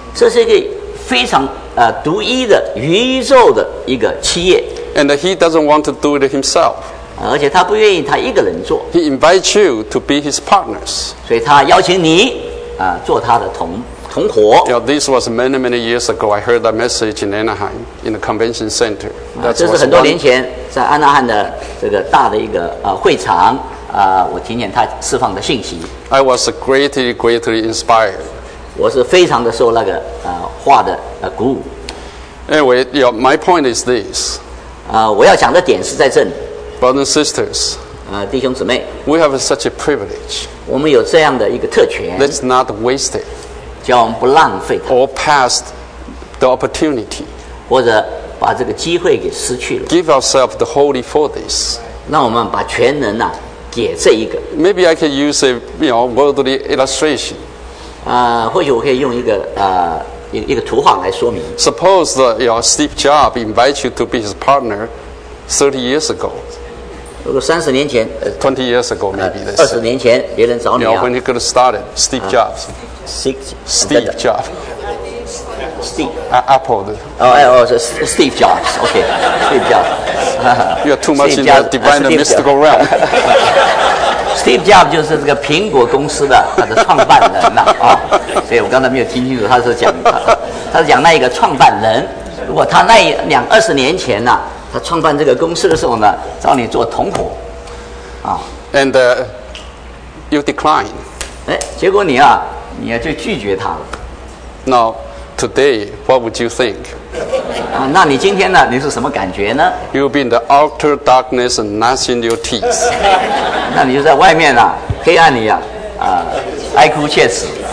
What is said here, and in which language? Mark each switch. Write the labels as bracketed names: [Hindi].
[Chinese] 这是一个非常独一的宇宙的一个企业。 [English] And he doesn't want to do it himself. [Chinese] 而且他不愿意他一个人做。 [English] He invites you to be his partners. [Chinese] 所以他邀请你做他的同同伙。 [English] You know, this was many, many years ago. I heard that message in Anaheim in the convention center. That's [Chinese] 这是很多年前在安娜汉的这个大的一个会场我听见他释放的信息。 [English] I was greatly, greatly inspired. [Chinese] 我是非常的受那个话的鼓舞。 [English] Anyway, you know, my point is this. [Chinese] 我要讲的点是在这里。 [English] Brothers and sisters. [Chinese] 弟兄姊妹。 [English] We have such a privilege. [Chinese] 我们有这样的一个特权。 [English] Let's not waste it. [Chinese] 叫我们不浪费它。 [English] Or pass the opportunity. [Chinese] 或者把这个机会给失去了。 [English] Give ourselves the holy for this. [Chinese] 那我们把全能给这一个。 [English] Maybe I can use a, you know, worldly illustration. [Chinese] 或许我可以用一个图画来说明。 [English] Suppose that, you know, Steve Jobs invites you to be his partner 30 years ago. [Chinese] 如果30年前 [English] 20 years ago maybe this. [Chinese] 20年前别人找你啊。 [English] You know, when you got started, Steve Jobs. Steve Jobs. Steve. Apple. Steve Jobs. Okay. Steve Jobs. You are too much in the divine and mystical realm. [Chinese] Steve Jobs 就是这个苹果公司的他的创办人呐 所以我刚才没有听清楚，他是讲那一个创办人。如果他那二十年前呢，他创办这个公司的时候呢，找你做同伙， [English] And you decline. [Chinese] 结果你就拒绝他了。 [English] Now today, what would you think? [Chinese] 那你今天呢？你是什么感觉呢 [English] ？You'll be in the outer darkness and gnashing your teeth. [Chinese] 那你就在外面黑暗里哀哭切齿。